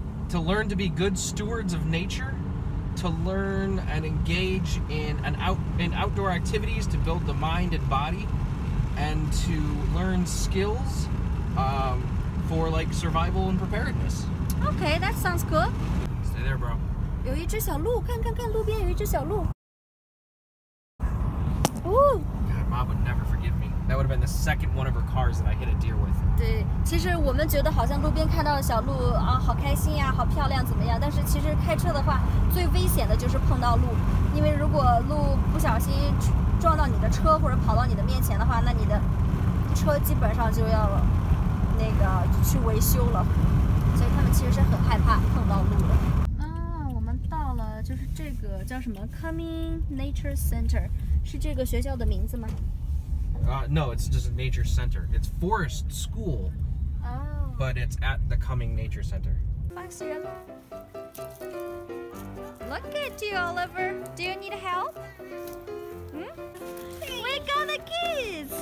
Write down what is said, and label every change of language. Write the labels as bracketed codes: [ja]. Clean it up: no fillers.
[en] To learn to be good stewards of nature, to learn and engage in outdoor activities to build the mind and body, and to learn skills, for like survival and preparedness. Okay, that sounds good. Stay there, bro. [zh] 有一只小鹿，看路边有一只小鹿。 [en] Mom would never forgive me. That would have been the second one of her cars that I hit a deer with. [zh] 对，其实我们觉得好像路边看到的小鹿啊，好开心呀，好漂亮，怎么样？但是其实开车的话，最危险的就是碰到鹿，因为如果鹿不小心撞到你的车或者跑到你的面前的话，那你的车基本上就要那个去维修了。所以他们其实是很害怕碰到鹿的。啊，我们到了，就是这个叫什么 Coming Nature Center。是这个学校的名字吗？ [en] No, it's just a nature center. It's forest school. Oh. But it's at the Cumming Nature Center. Look at you, Oliver. Do you need help? We got the kids.